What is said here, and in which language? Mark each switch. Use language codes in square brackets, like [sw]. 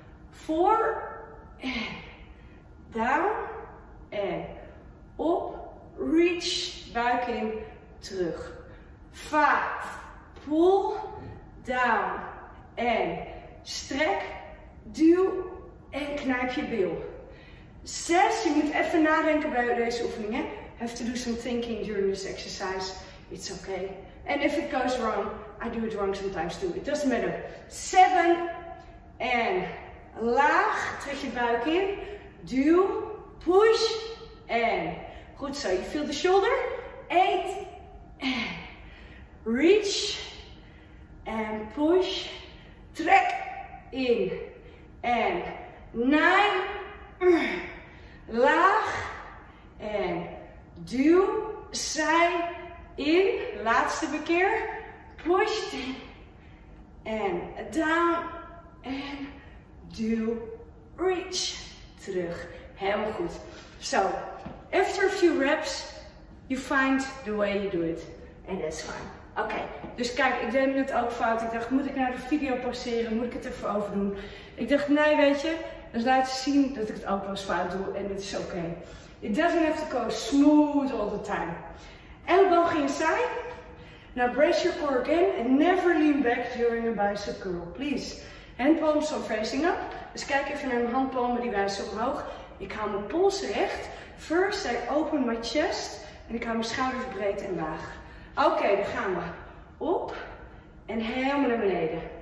[nl] 4, en down, en op, reach, buik in, terug. 5, pull, down, en strek, duw en knijp je bil. 6, je moet even nadenken bij deze oefening. Hè? [en] Have to do some thinking during this exercise. It's okay. And if it goes wrong, I do it wrong sometimes too. It doesn't matter. [nl] 7, en laag, trek je buik in. Duw, push, en goed zo. [en] You feel the shoulder. [nl] 8, en reach, en push, trek. In. En 9. Laag. En duw. Zij. In. Laatste keer. Push. En down. En duw. Reach. Terug. Helemaal goed. [en] So, after a few reps, you find the way you do it. And that's fine. [nl] Oké. Dus kijk, ik deed het ook fout. Ik dacht, moet ik nou de video pauzeren? Moet ik het even overdoen? Ik dacht, nee, weet je, dus laat je zien dat ik het ook wel eens fout doe en het is oké. [en] It doesn't have to go smooth all the time. [nl] Elleboog in zij. [en] Now brace your core again and never lean back during a bicep curl, please. Handpalms are facing up. [nl] Dus kijk even naar mijn handpalmen, die wijzen omhoog. Ik hou mijn polsen recht. [en] First I open my chest [nl] en ik hou mijn schouders breed en laag. Oké, daar gaan we. Op en helemaal naar beneden.